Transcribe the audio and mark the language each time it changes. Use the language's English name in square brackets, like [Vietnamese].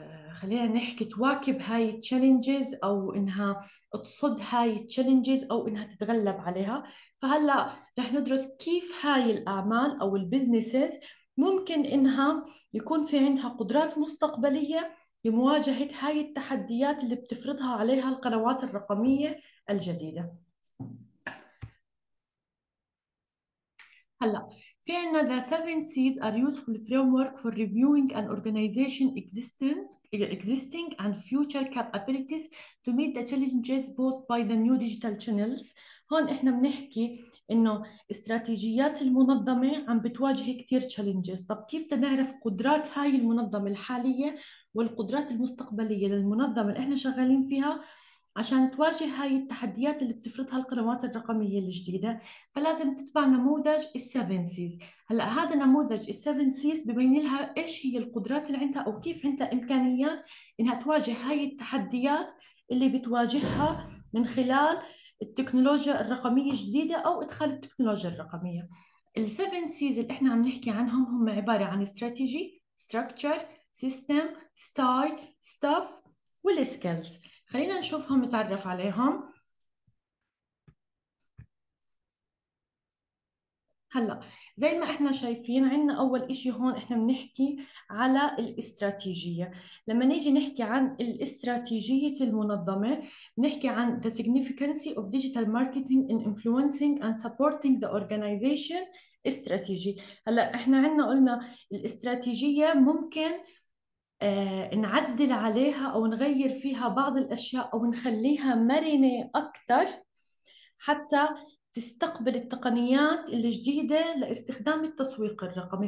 [Arabic] خلينا نحكي تواكب هاي التشالنجز، او انها تصد هاي التشالنجز، او انها تتغلب عليها. فهلا رح ندرس كيف هاي الاعمال او البزنسز ممكن إنها يكون في عندها قدرات مستقبلية لمواجهة هاي التحديات اللي بتفرضها عليها القنوات الرقمية الجديدة. هلا في عندنا [English] the seven C's are useful framework for reviewing an organization existing and future capabilities to meet the challenges posed by the new digital channels. [Arabic] هون احنا بنحكي انه استراتيجيات المنظمة عم بتواجه كتير challenges. طب كيف بدنا نعرف قدرات هاي المنظمة الحالية والقدرات المستقبلية للمنظمة اللي احنا شغالين فيها عشان تواجه هاي التحديات اللي بتفرضها القنوات الرقمية الجديدة؟ فلازم تتبع نموذج السيفن سيز. هلا هذا نموذج السيفن سيز ببين لها ايش هي القدرات اللي عندها او كيف عندها امكانيات انها تواجه هاي التحديات اللي بتواجهها من خلال التكنولوجيا الرقمية الجديدة أو إدخال التكنولوجيا الرقمية. الـ 7 Cs اللي إحنا عم نحكي عنهم هم عبارة عن استراتيجي، structure، system، style، stuff، والـ skills. خلينا نشوفهم نتعرف عليهم. هلأ زي ما إحنا شايفين عندنا أول إشي هون إحنا بنحكي على الاستراتيجية. لما نيجي نحكي عن الاستراتيجية المنظمة بنحكي عن [English] the significance of digital marketing in influencing and supporting the organization strategy. [Arabic] هلأ إحنا عندنا قلنا الاستراتيجية ممكن نعدل عليها أو نغير فيها بعض الأشياء أو نخليها مرنة أكتر حتى تستقبل التقنيات الجديدة لاستخدام التسويق الرقمي.